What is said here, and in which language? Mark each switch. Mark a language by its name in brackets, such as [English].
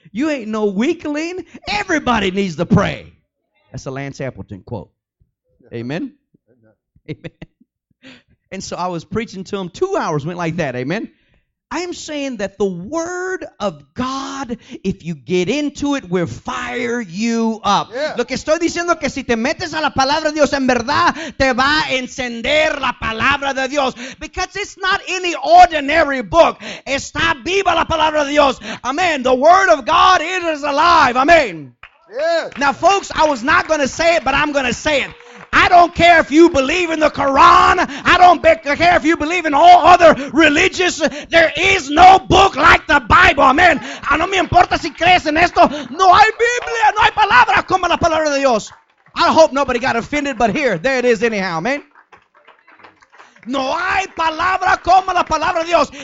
[English] You ain't no weakling. Everybody needs to pray. That's a Lance Appleton quote. Amen. Amen. And so I was preaching to him. 2 hours went like that. Amen. I am saying that the word of God, if you get into it, will fire you up. Yeah. [Spanish] Lo que estoy diciendo que si te metes a la palabra de Dios, en verdad, te va a encender la palabra de Dios. [English] Because it's not any ordinary book. [Spanish] Está viva la palabra de Dios. [English] Amen. The word of God, it is alive. Amen. Yeah. Now, folks, I was not going to say it, but I'm going to say it. I don't care if you believe in the Quran. I don't care if you believe in all other religions. There is no book like the Bible. Amen. [Spanish] No me importa si crees en esto. No hay Biblia. No hay palabra como la palabra de Dios. [English] I hope nobody got offended, but here, there it is anyhow. Amen. [Spanish] No hay palabra como la palabra de Dios.